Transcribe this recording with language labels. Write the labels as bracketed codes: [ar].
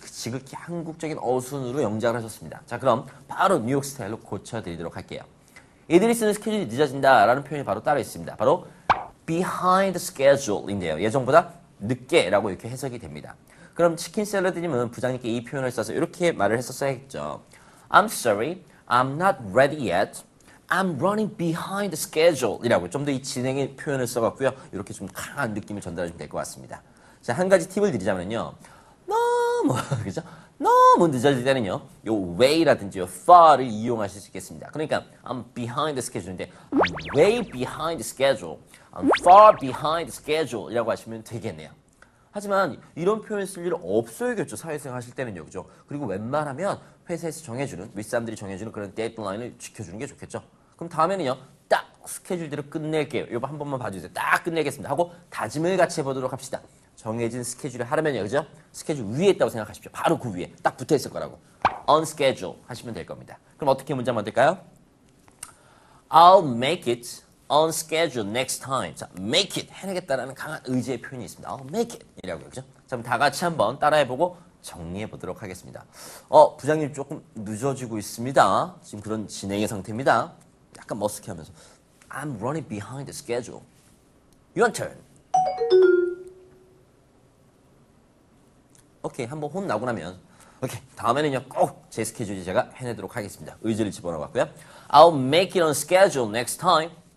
[ko] 지극히 한국적인 어순으로 영작을 하셨습니다. 자, 그럼 바로 뉴욕 스타일로 고쳐드리도록 할게요. 이들이 쓰는 스케줄이 늦어진다라는 표현이 바로 따로 있습니다. 바로 behind schedule인데요. 예정보다 늦게라고 이렇게 해석이 됩니다. 그럼 치킨 샐러드님은 부장님께 이 표현을 써서 이렇게 말을 했었어야겠죠. [en] I'm sorry, I'm not ready yet. I'm running behind the schedule. [ko] 이라고 좀더이 진행의 표현을 써갖고요. 이렇게 좀 강한 느낌을 전달해 주면 될것 같습니다. 자, 한 가지 팁을 드리자면요. 너무, 그죠? 너무 늦어질 때는요. 요 way라든지 요 far를 이용하실 수 있겠습니다. 그러니까 [en] I'm behind the schedule인데 I'm way behind the schedule. I'm far behind the schedule. [ko] 이라고 하시면 되겠네요. 하지만 이런 표현 쓸 일은 없어야겠죠. 사회생활 하실 때는요, 그죠? 그리고 웬만하면 회사에서 정해주는 윗사람들이 정해주는 그런 데드라인을 지켜주는 게 좋겠죠. 그럼 다음에는요, 딱 스케줄대로 끝낼게요. 이거 한 번만 봐주세요. 딱 끝내겠습니다 하고 다짐을 같이 해보도록 합시다. 정해진 스케줄을 하려면요, 그죠? 스케줄 위에 있다고 생각하십시오. 바로 그 위에 딱 붙어 있을 거라고. Unschedule 하시면 될 겁니다. 그럼 어떻게 문장 만들까요? [en] I'll make it. On schedule next time. [ko] 자, [en] make it. [ko] 해내겠다라는 강한 의지의 표현이 있습니다. [en] I'll make it. [ko] 이라고요. 그죠? 자, 그럼 다 같이 한번 따라해보고 정리해보도록 하겠습니다. 부장님 조금 늦어지고 있습니다. 지금 그런 진행의 상태입니다. 약간 머쓱해 하면서. [en] I'm running behind the schedule. Your turn. [ko] 오케이. 한번 혼나고 나면. 오케이. 다음에는요, 꼭제 스케줄이 제가 해내도록 하겠습니다. 의지를 집어넣어봤고요. [en] I'll make it on schedule next time.